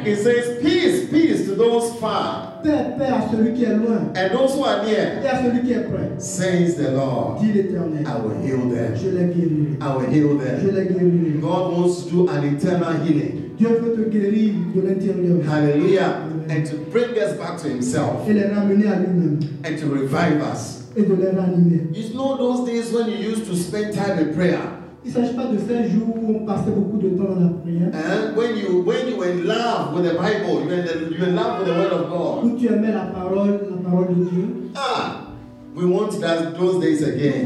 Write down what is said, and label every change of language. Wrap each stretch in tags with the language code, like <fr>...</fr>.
<en>It says, peace to those far.</en> <fr>Paix à celui qui est loin.</fr> <en>And those who are near.</en> <fr>Paix à celui qui est près.</fr> <en>Says the Lord.</en> <fr>Dit l'Éternel.</fr> <en>I will heal them.</en> <fr>Je les guérirai.</fr> <en>I will heal them.</en> <fr>Je les guérirai.</fr> <en>God wants to do an eternal healing.</en> <fr>Dieu veut te guérir de l'intérieur.</fr> <en>Hallelujah. Amen. And to bring us back to himself.</en> <fr>Et les ramener à lui-même.</fr> <en>And to revive us.</en> <fr>Et de les ranimer.</fr> <en>You know those days when you used to spend time in prayer.</en> <fr>Il s'agit pas de ces jours où on passait beaucoup de temps dans la prière.</fr> <en>And when you were in love with the Bible, you were in love with the Word of God.</en> <fr>Où tu aimais la parole de Dieu.</fr> <en>We want those days again.</en>